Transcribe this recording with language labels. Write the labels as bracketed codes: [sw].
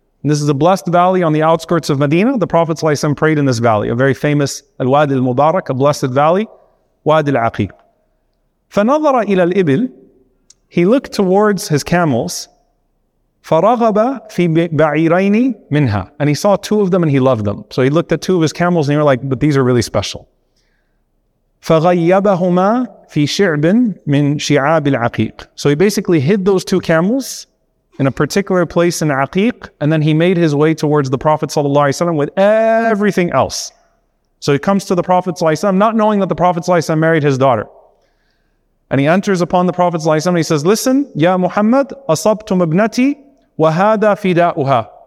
[en] And this is a blessed valley on the outskirts of Medina. The Prophet ﷺ prayed in this valley, a very famous Al-Wadi Al-Mubarak, a blessed valley, Wadi Al-Aqiq. [ar] فَنَظَرَ إِلَى الْإِبِلْ. [en] He looked towards his camels. [ar] فَرَغَبَ فِي بَعِيرَيْنِ مِنْهَا. [en] And he saw two of them and he loved them. So he looked at two of his camels and he was like, but these are really special. [ar] فغيبهما في شعب من شعاب العقيق. [en] So he basically hid those two camels in a particular place in Aqiq, and then he made his way towards the Prophet sallallahu alaihi wasallam with everything else. So he comes to the Prophet sallallahu alaihi wasallam, not knowing that the Prophet sallallahu alaihi wasallam married his daughter. And he enters upon the Prophet sallallahu alaihi wasallam. He says, "Listen, ya Muhammad, [ar] asabtum ibnati wa hada fida'uha."